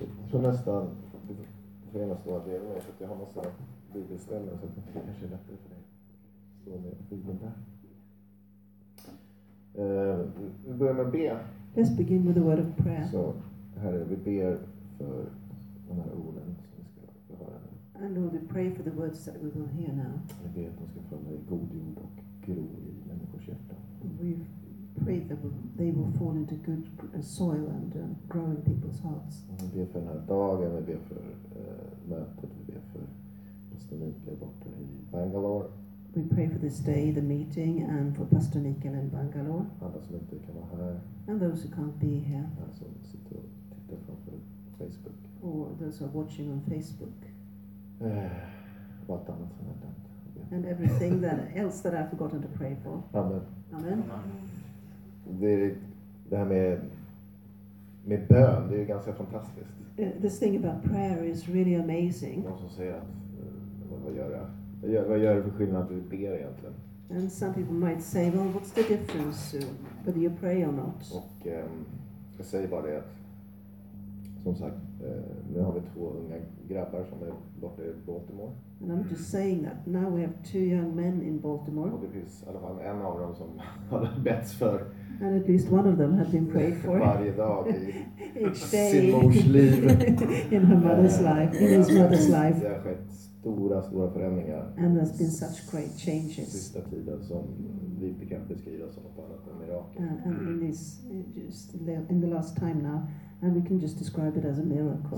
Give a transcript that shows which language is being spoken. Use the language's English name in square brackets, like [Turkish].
[Swedish] tror nästan för ena stora delen är att jag har massa bibelställen så att det kanske är lättare för dig att stå med bibeln där. Vi börjar med att be. [English] Let's begin with a word of prayer. [Swedish] Så, Herre, vi ber för de här orden som vi ska höra nu. [English] And Lord, we pray for the words that we will hear now. [Swedish] Vi ber att de ska falla i god jord och gro i människors hjärta. [English] We pray that they will fall into good soil and grow in people's hearts. [Swedish] Vi ber för den här dagen, vi ber för mötet, vi ber för Pastor Mikael borta i Bangalore. [English] We pray for this day, the meeting, and for Pastor Mikael in Bangalore. [Swedish] Alla som inte kan vara här. [English] And those who can't be here. [Swedish] Alla som sitter och tittar framför Facebook. [English] Or those who are watching on Facebook. [Swedish] Vad annat som händer. [English] And everything that else that I've forgotten to pray for. [Swedish] Amen. [English] Amen. [Swedish] Det här med bön, det är ganska fantastiskt. [English] This thing about prayer is really amazing. [Swedish] Någon som säger att vad gör det för skillnad att du ber egentligen? [English] And some people might say, well, what's the difference whether you pray or not? [Swedish] Och jag säger bara det att, som sagt, nu har vi två unga grabbar som är borta i Baltimore. [English] And I'm just saying that now we have two young men in Baltimore. [Swedish] Och det finns i alla fall en av dem som har bett för. [English] And at least one of them had been prayed for. [Swedish] Varje dag i [English] each day. [Swedish] Sin mors liv. [English] In her mother's life. In his mother's life. [Swedish] Det har skett stora förändringar. [English] And there's been such great changes. [Swedish] Sista tiden som vi inte kan beskriva som något annat än mirakel. [English] And in this, just in the last time now. And we can just describe it as a miracle.